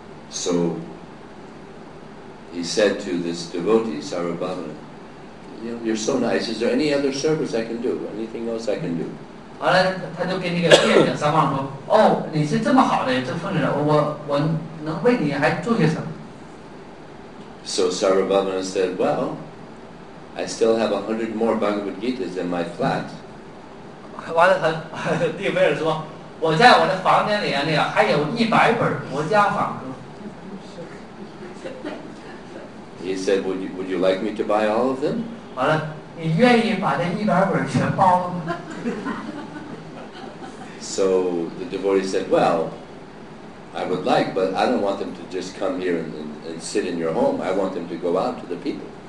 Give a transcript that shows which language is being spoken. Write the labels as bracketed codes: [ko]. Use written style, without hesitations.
[en] So he said to this devotee, Sarvabhauman, you know, you're so nice. Is there any other service I can do? Anything else I can do? [zh] 完了，他就跟那个店长三胖说：“哦，你是这么好的这份人，我能为你还做些什么 [en] ？”So Sarvabhauman said, "Well, I still have 100 more Bhagavad Gitas in my flat." [zh] 完了，他那个人说：“我在我的房间里啊，那个还有100本《摩迦梵歌》。 [en] ”He said, "Would you like me to buy all of them?" [zh] 完了，你愿意把这100本全包了吗？ [en] So the devotee said, well, I would like, but I don't want them to just come here and sit in your home. I want them to go out to the people.